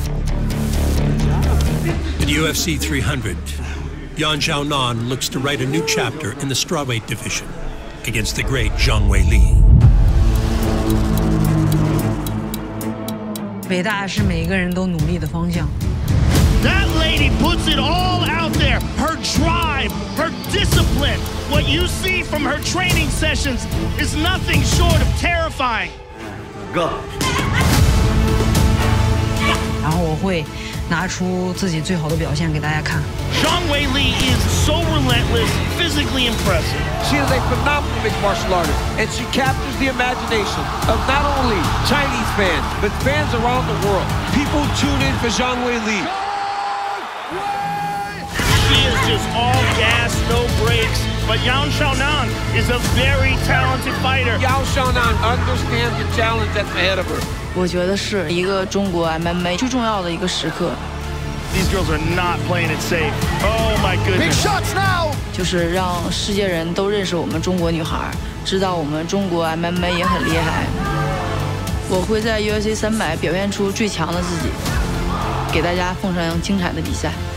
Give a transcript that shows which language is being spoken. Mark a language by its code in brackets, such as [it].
[zh] 我就希望菲波陪我去拿到这个冠军。 [en] UFC 300, Yan Xiaonan looks to write a new chapter in the strawweight division against the great Zhang Wei Li. [zh] 伟大是每一个人都努力的方向。 [en] That lady puts it all out there, her drive, her discipline. What you see from her training sessions is nothing short of terrifying. Go. [zh] 然后我会拿出自己最好的表现给大家看。 [en] Zhang Wei Li is so relentless, physically impressive. She is a phenomenal mixed martial artist, and she captures the imagination of not only Chinese fans, but fans around the world. People tune in for Zhang Wei Li. She is just all gas, no brakes. But Yan Xiaonan is a very talented fighter. Yan Xiaonan understands the challenge that's ahead of her. [zh] 我觉得是一个中国 MMA 最重要的一个时刻。 [en] These girls are not playing it safe. Oh my goodness. Big shots now. [zh] 就是让世界人都认识我们中国女孩，知道我们中国 MMA 也很厉害。我会在 UFC 300表现出最强的自己，给大家奉上精彩的比赛。